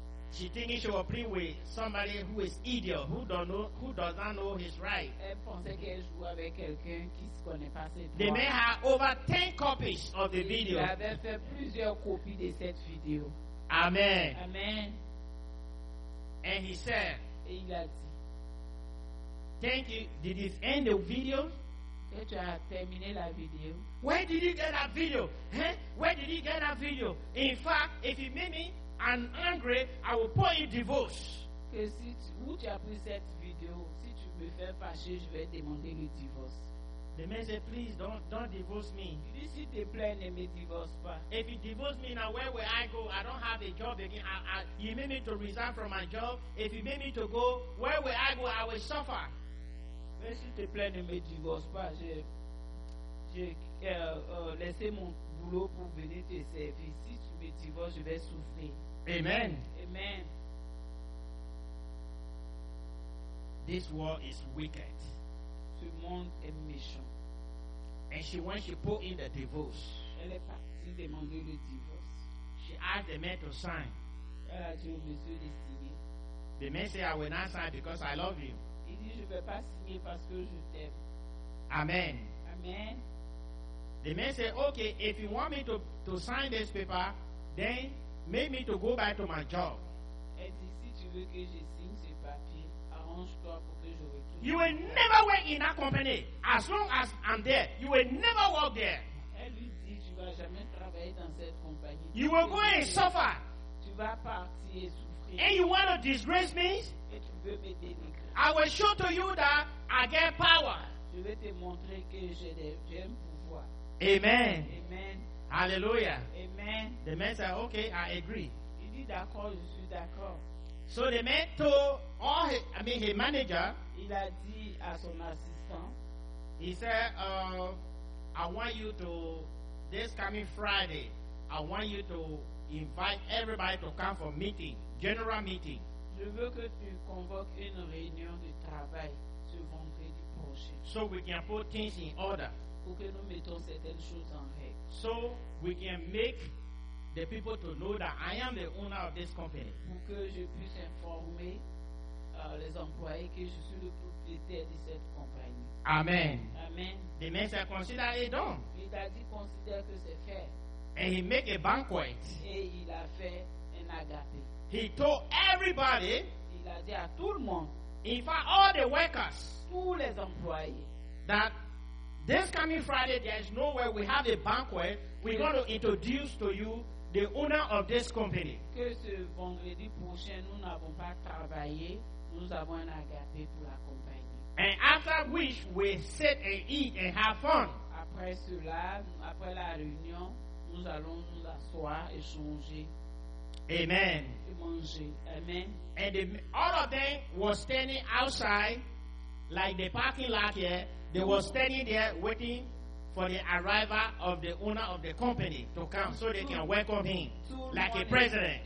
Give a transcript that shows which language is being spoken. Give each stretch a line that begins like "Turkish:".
English: She thinking she was playing with somebody who is idiot, who does not know his right.
French: Elle pensait qu'elle jouait avec quelqu'un qui ne connaît pas ses droits.
English: They may have over 10 copies of the video.
French: Elle avait fait plusieurs copies de cette vidéo.
English: Amen.
French: Amen.
English: And he said,
French: et il a dit,
English: thank you. Did you end the video?
French: Que tu as terminé la vidéo.
English: Where did you get that video? Huh? Where did you get that video? In fact, if you make me an angry, I will pour you divorce.
French: Que si où tu as pris cette vidéo? Si tu me fais fâcher, je vais demander le divorce.
English: The man said, please don't divorce me.
French: Il dit, s'il te plaît, ne me divorce pas.
English: If you divorce me now, where will I go? I don't have a job again. You made me to resign from my job. If you made me to go, where will I go? I will suffer.
French: Mais s'il te plaît, ne me divorce pas. J'ai laissé mon boulot pour venir te servir. Si tu me divorces, je vais souffrir.
English: Amen.
French: Amen.
English: This world is wicked.
French: Ce monde est méchant.
English: And she put in the divorce.
French: Elle est partie demander le divorce.
English: She asked the man to sign.
French: Elle a dit au monsieur de signer.
English: The man said, I will not sign because I love you.
French: Il dit, je ne vais pas signer parce que je t'aime.
English: Amen.
French: Amen.
English: The man said, okay, if you want me to sign this paper, then make me to go back to my job.
French: Elle dit, si tu veux que je signe ce papier, arrange-toi pour que je retourne.
English: You will never work in that company. As long as I'm there, you will never work there.
French: Elle lui dit, tu ne vas jamais travailler dans cette compagnie.
English: You will go and suffer.
French: Tu vas partir et souffrir.
English: And you want to disgrace me?
French: Et tu veux me dénigrer.
English: I will show to you that I get power.
French: Je vais te montrer que j'ai un pouvoir.
English: Amen.
French: Amen.
English: Hallelujah.
French: Amen.
English: The man said, okay, I agree. You did that call, you should that call. So the man told all his, I mean his manager,
French: il a dit à son assistant,
English: he said, I want you to, this coming Friday, I want you to invite everybody to come for meeting, general meeting.
French: Je veux que tu convoques une réunion de travail ce vendredi prochain.
English: So we can put things in order.
French: Pour que nous mettons certaines choses en règle.
English: So we can make the people to know that I am the owner of this company.
French: Pour que je puisse informer les employés que je suis le propriétaire de cette compagnie.
English: Amen.
French: Amen.
English: The man said, consider it done.
French: Il a dit, considère que c'est fait.
English: And he make a banquet.
French: Et il a fait un agapé.
English: He told everybody,
French: il a dit à tout le monde,
English: in fact, all the workers,
French: tous les employés,
English: that this coming Friday, there is nowhere we have a banquet. We're going to introduce to you the owner of this company.
French: Que ce vendredi prochain, nous n'avons pas travaillé. Nous avons un agapé pour la compagnie.
English: And after which, we sit and eat and have fun.
French: Après cela, après la réunion, nous allons nous asseoir et changer.
English: Amen.
French: Amen.
English: And the, all of them were standing outside, like the parking lot here. They were standing there waiting for the arrival of the owner of the company to come so they can welcome him like a president.